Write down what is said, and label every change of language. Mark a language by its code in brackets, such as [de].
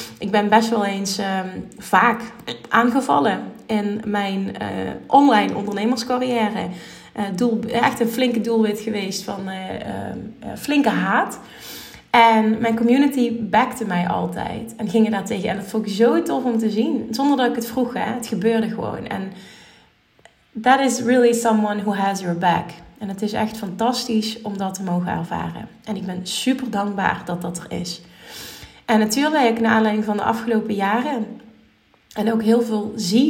[nl] Ik ben best wel eens vaak aangevallen in mijn online ondernemerscarrière. Echt een flinke doelwit geweest van flinke haat. En mijn community backte mij altijd. En gingen daar tegen. En dat vond ik zo tof om te zien. Zonder dat ik het vroeg. Hè. Het gebeurde gewoon. En [en] that is really someone who has your back. [nl] En het is echt fantastisch om dat te mogen ervaren. En ik ben super dankbaar dat dat er is. En natuurlijk, naar aanleiding van de afgelopen jaren. En ook heel veel zie.